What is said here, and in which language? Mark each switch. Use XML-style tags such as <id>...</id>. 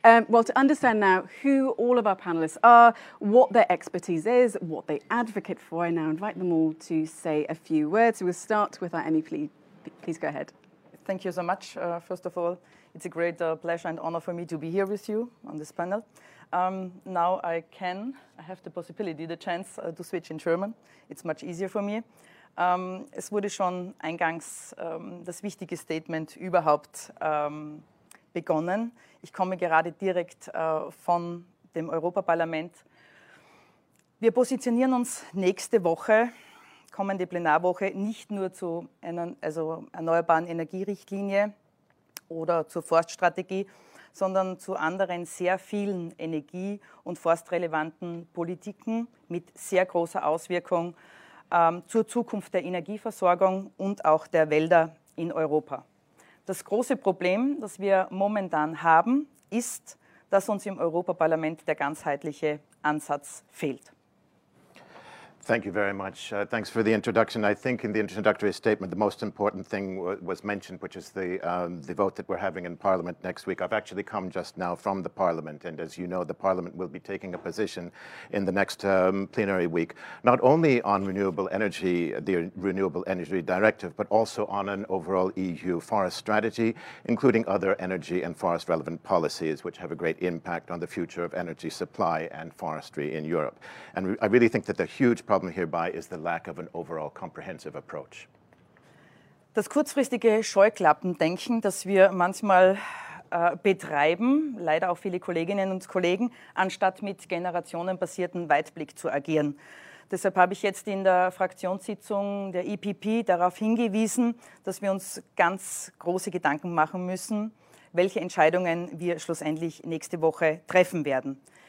<en>Well, to understand now who all of our panelists are, what their expertise is, what they advocate for, I now invite them all to say a few words. We'll start with our MEP. Please go ahead. Thank you so much, first of all. It's a great pleasure and honor for me to be here with you on this panel. Now I have the possibility, the chance to switch in German. It's much easier for me.</en> <de>Es wurde schon eingangs das wichtige Statement überhaupt begonnen. Ich komme gerade direkt von dem Europaparlament. Wir positionieren uns nächste Woche, kommende Plenarwoche, nicht nur zu einer erneuerbaren Energierichtlinie oder zur Forststrategie, sondern zu anderen sehr vielen energie- und forstrelevanten Politiken mit sehr großer Auswirkung zur Zukunft der Energieversorgung und auch der Wälder in Europa. Das große Problem, das wir momentan haben, ist, dass uns im Europaparlament der ganzheitliche Ansatz fehlt.</de> <en>Thank you very much. Thanks for the introduction. I think in the introductory statement, the most important thing was mentioned, which is the vote that we're having in Parliament next week. I've actually come just now from the Parliament, and as you know, the Parliament will be taking a position in the next plenary week, not only on renewable energy, the Renewable Energy Directive, but also on an overall EU forest strategy, including other energy and forest-relevant policies, which have a great impact on the future of energy supply and forestry in Europe. And I really think that the huge problem hierby is the lack of an overall comprehensive approach.</en> <de>Das kurzfristige Scheuklappendenken, das wir manchmal betreiben, leider auch viele Kolleginnen und Kollegen, anstatt mit generationenbasierten Weitblick zu agieren. Deshalb habe ich jetzt in der Fraktionssitzung der EPP darauf hingewiesen, dass wir uns ganz große Gedanken machen müssen, welche Entscheidungen wir schlussendlich nächste Woche treffen werden.</de>